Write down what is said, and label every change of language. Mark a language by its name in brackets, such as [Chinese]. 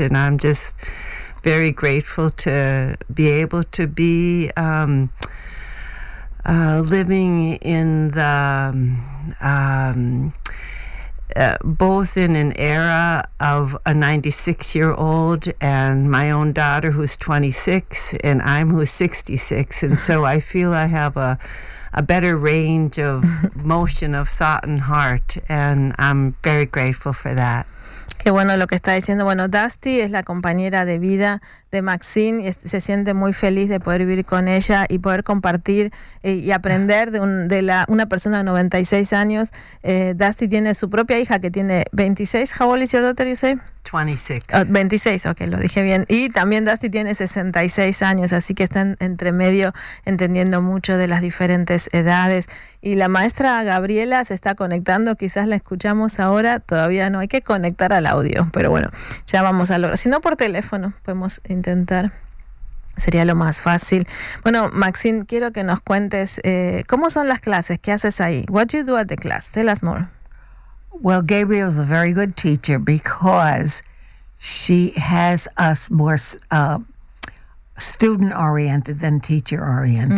[English] And I'm just very grateful to be able to be living in the both in an era of a 96-year-old and my own daughter who's 26 and I'm who's 66, and so I feel I have a better range of motion of thought and heart, and I'm very grateful for that. [Spanish] Qué bueno lo que está diciendo. Bueno, Dusty es la compañera de vida de Maxine y se siente muy feliz de poder vivir con ella y poder compartir y aprender de una persona de 96 años. Dusty tiene su propia hija que tiene 26. [English] How old is your daughter, you say? 26. [Spanish] Oh, 26, okay, lo dije bien. Y también Dusty tiene 66 años, así que están entre medio entendiendo mucho de las diferentes edades. Y la maestra Gabriela se está conectando, quizás la escuchamos ahora, todavía no hay que conectar al audio, pero bueno, ya vamos a lograr. Si no por teléfono, podemos intentar, sería lo más fácil. Bueno, Maxine, quiero que nos cuentes, ¿cómo son las clases? ¿Qué haces ahí? [English] What do you do at the class? Tell us more. Well, Gabriel is a very good teacher because she has us more student-oriented than teacher-oriented.